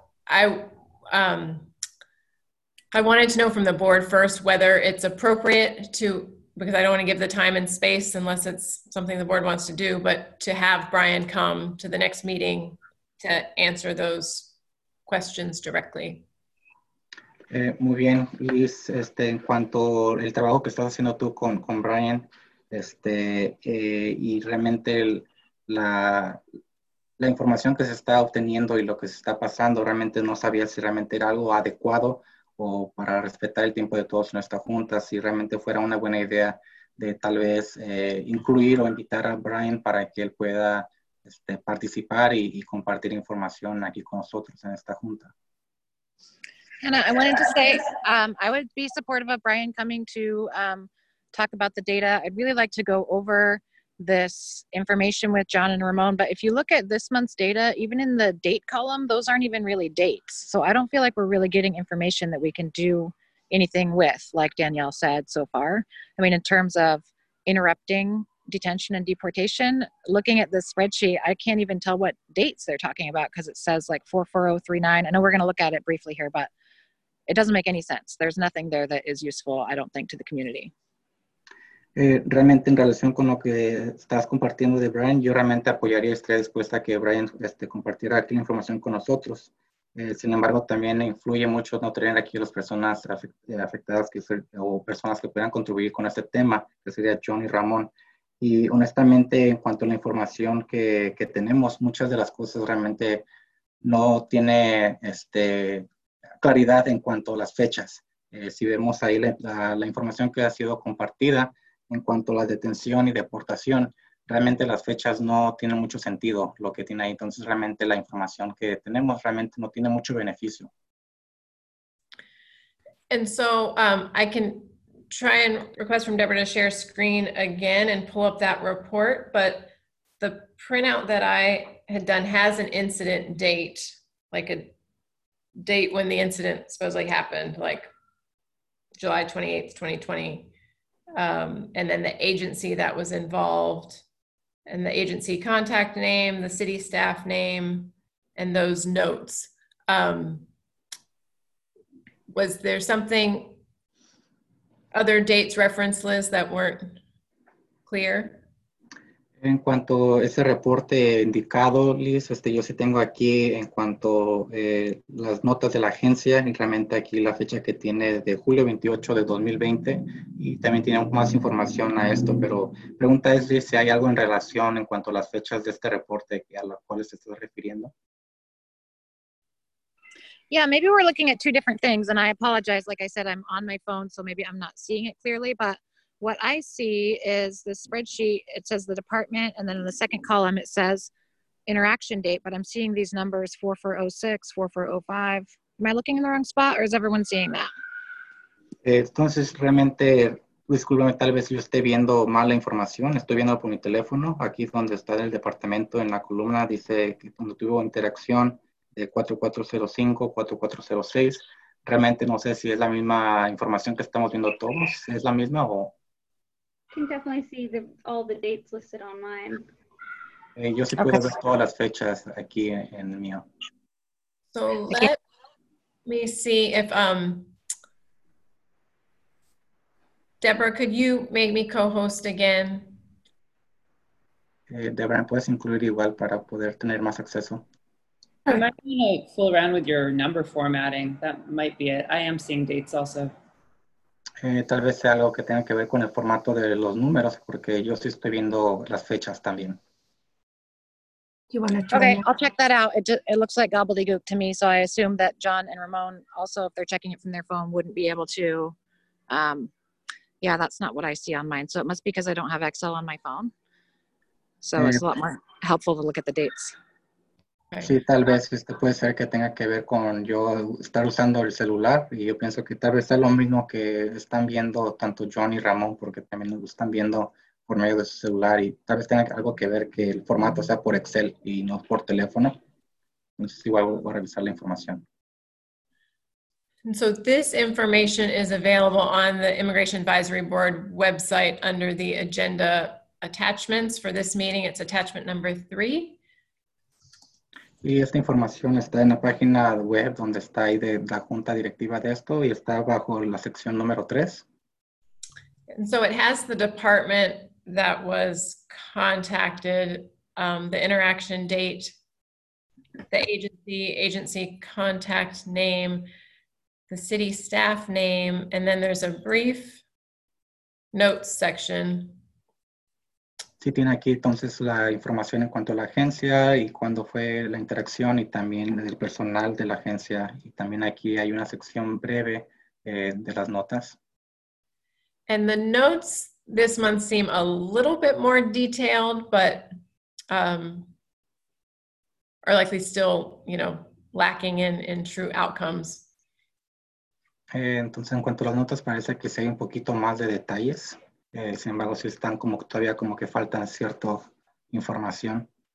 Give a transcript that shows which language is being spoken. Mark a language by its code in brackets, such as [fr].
[en] And so I wanted to know from the board first whether it's appropriate to, because I don't want to give the time and space unless it's something the board wants to do, but to have Brian come to the next meeting to answer those questions directly. [es] Muy bien, Liz, en cuanto al trabajo que estás haciendo tú con Brian, y realmente la información que se está obteniendo y lo que se está pasando, realmente no sabía si realmente era algo adecuado o para respetar el tiempo de todos en esta junta, si realmente fuera una buena idea de tal vez incluir o invitar a Brian para que él pueda participar y compartir información aquí con nosotros en esta junta. [en] Hannah, I wanted to say, I would be supportive of Brian coming to talk about the data. I'd really like to go over this information with John and Ramon, but if you look at this month's data, even in the date column, those aren't even really dates. So I don't feel like we're really getting information that we can do anything with, like Danielle said so far. I mean, in terms of interrupting detention and deportation, looking at this spreadsheet, I can't even tell what dates they're talking about because it says like 44039. I know we're going to look at it briefly here, but it doesn't make any sense. There's nothing there that is useful, I don't think, to the community. [es] Realmente en relación con lo que estás compartiendo de Brian, yo realmente apoyaría, estaría dispuesta a que Brian compartiera aquí la información con nosotros. Sin embargo, también influye mucho no tener aquí a las personas afectadas o personas que puedan contribuir con este tema, que sería John y Ramón. Y honestamente, en cuanto a la información que tenemos, muchas de las cosas realmente no tiene claridad en cuanto a las fechas. Si vemos ahí la información que ha sido compartida, en cuanto a la detención y deportación, realmente las fechas no tienen mucho sentido lo que tiene ahí. Entonces, realmente la información que tenemos realmente no tiene mucho beneficio. [en] And so I can try and request from Deborah to share screen again and pull up that report, but the printout that I had done has an incident date, like a date when the incident supposedly happened, like July 28th, 2020. And then the agency that was involved and the agency contact name, the city staff name, and those notes. Was there something, other dates reference lists that weren't clear? [es] En cuanto a ese reporte indicado, Liz, yo sí tengo aquí en cuanto las notas de la agencia, realmente aquí la fecha que tiene de julio 28 de 2020 y también tiene más información a esto, pero pregunta es Liz, si hay algo en relación en cuanto a las fechas de este reporte a las cuales se está refiriendo. [en] Yeah, maybe we're looking at two different things and I apologize, like I said, I'm on my phone, so maybe I'm not seeing it clearly, but what I see is the spreadsheet, it says the department, and then in the second column it says interaction date, but I'm seeing these numbers 4406, 4405. Am I looking in the wrong spot or is everyone seeing that? [es] Entonces, realmente, discúlpeme, tal vez yo esté viendo mala información. Estoy viendo por mi teléfono. Aquí es donde está el departamento en la columna. Dice que cuando tuvo interacción de 4405, 4406. Realmente no sé si es la misma información que estamos viendo todos. ¿Es la misma o...? [en] Can definitely see the, all the dates listed online. [es] Yo sí puedo ver todas las fechas aquí en el mío. [en] So let me see if Deborah, could you make me co-host again? [es] Deborah, ¿puedes incluir igual para poder tener más acceso? [en] I might want to fool around with your number formatting. That might be it. I am seeing dates also. [es] Tal vez sea algo que tenga que ver con el formato de los números, porque yo sí estoy viendo las fechas también. [en] You want to okay, I'll check that out. It looks like gobbledygook to me, so I assume that John and Ramon also, if they're checking it from their phone, wouldn't be able to. Yeah, that's not what I see on mine. So it must be because I don't have Excel on my phone. So it's a lot more helpful to look at the dates. [es] Sí, tal vez este puede ser que tenga que ver con yo estar usando el celular y yo pienso que tal vez sea lo mismo que están viendo tanto John y Ramón porque también lo están viendo por medio de su celular y tal vez tenga algo que ver que el formato sea por Excel y no por teléfono. Entonces igual voy a revisar la información. [en] And so this information is available on the Immigration Advisory Board website under the agenda attachments for this meeting. It's attachment number 3. [es] Y esta información está en la página web donde está ahí de la junta directiva de esto y está bajo la sección número 3. [en] And so it has the department that was contacted, the interaction date, the agency contact name, the city staff name, and then there's a brief notes section. [es] Sí, tiene aquí entonces la información en cuanto a la agencia y cuándo fue la interacción y también el personal de la agencia. Y también aquí hay una sección breve de las notas. [en] And the notes this month seem a little bit more detailed, but are likely still, you know, lacking in true outcomes. [es] Entonces, en cuanto a las notas, parece que sí hay un poquito más de detalles. Sin embargo, si están como todavía como que faltan cierta información.